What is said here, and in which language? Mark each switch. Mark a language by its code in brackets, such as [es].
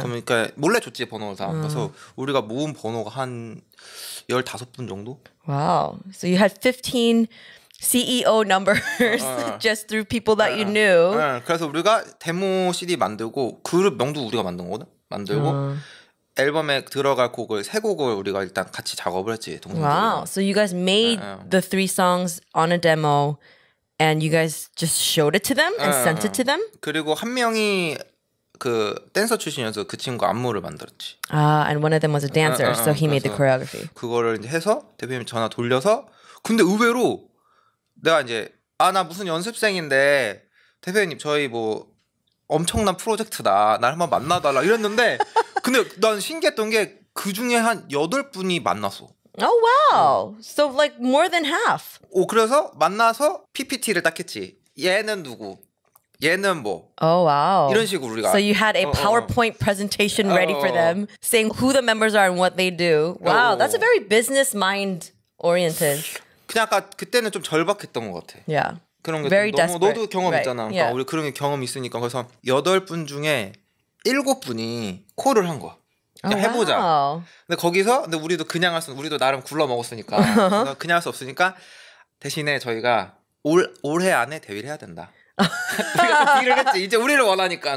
[ko] 그러니까 몰래 줬지, 번호를 다. 그래서 우리가 모은 번호가 한 15분 정도? [en] Wow. So you had 15 CEO numbers just through people that you knew. [ko] 그래서 우리가 데모 CD 만들고 그룹 명도 우리가 만든 거거든. 만들고 앨범에 들어갈 곡을 세 곡을 우리가 일단 같이 작업을 했지. 동생들이랑. [en] Wow. So you guys made the three songs on a demo and you guys just showed it to them and sent it to them? [ko] 그리고 한 명이 그 댄서 출신이어서 그 친구가 안무를 만들었지. [en] 아, and one of them was a dancer. So he made the choreography. [ko] 그거를 이제 해서 대표님 전화 돌려서 근데 의외로 내가 이제 아 나 무슨 연습생인데 대표님 저희 뭐 엄청난 프로젝트다 날 한번 만나달라 이랬는데 근데 난 신기했던 게 그 중에 한 8분이 만났어. [en] Oh wow. 응. So like more than half. [ko] 오 그래서 만나서 PPT를 딱 했지. 얘는 누구? 얘는 뭐? [en] Oh wow. [ko] 이런 식으로 우리가. [en] So you had a PowerPoint presentation ready for them, saying who the members are and what they do. Wow, that's a very business mind oriented. [ko] 그냥 아까 그때는 좀 절박했던 것 같아. [en] Yeah. [ko] 그런 게 [en] very [ko] 너무, 너도 경험 [en] right. [ko] 있잖아. 그러니까 yeah. 우리 그런 게 경험 있으니까 그래서 여덟 분 중에 일곱 분이 콜을 한 거야. 그냥 oh, 해보자. Wow. 근데 거기서 근데 우리도 그냥 할 수 우리도 나름 굴러 먹었으니까 그냥 할 수 없으니까 대신에 저희가 올 올해 안에 대회를 해야 된다. 우리가 대회를 했지. 이제 우리를 원하니까.